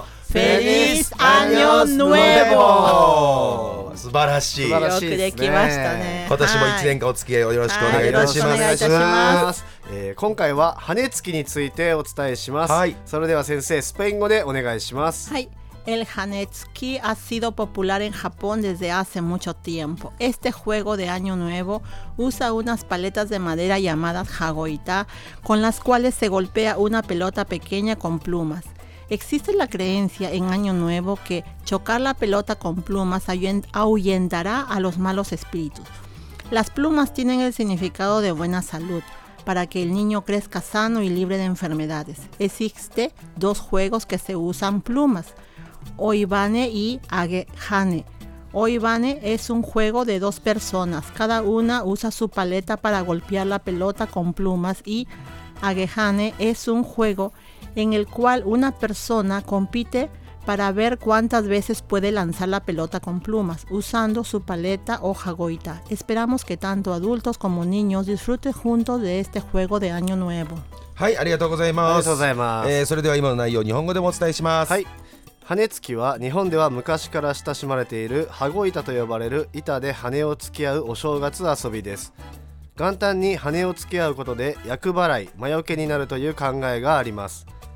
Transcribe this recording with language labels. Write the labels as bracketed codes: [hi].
[es] フェリースアニョヌエボ。 [ja] 素晴らしい。よくできましたね。今年も1年間お付き合いをよろしくお願いします。よろしくお願いします。今回は羽根つきについてお伝えします。はい。それでは先生、スペイン語でお願いします。はい。 [es] El Hanetsuki ha sido popular en Japón desde hace mucho tiempo. Este juego de año nuevo usa unas paletas de madera llamadas Hagoita, con las cuales se golpea una pelota pequeña con plumas. Existe la creencia en año nuevo que chocar la pelota con plumas ahuyentará a los malos espíritus. Las plumas tienen el significado de buena salud, para que el niño crezca sano y libre de enfermedades. Existe dos juegos que se usan plumas. Oibane y Agehane. Oibane es un juego de dos personas. Cada una usa su paleta para golpear la pelota con plumas. Y Agehane es un juego en el cual una persona compite para ver cuántas veces puede lanzar la pelota con plumas usando su paleta o jagoita. Esperamos que tanto adultos como niños disfruten juntos de este juego de año nuevo. [ja] はい、ありがとうございます。ありがとうございます。それでは今の内容を日本語でもお伝えします。はい。羽根つきは日本では昔から親しまれている羽子板と呼ばれる板で羽根を突き合うお正月遊びです。元旦に羽根を突き合うことで厄払い、魔除けになるという考えがあります。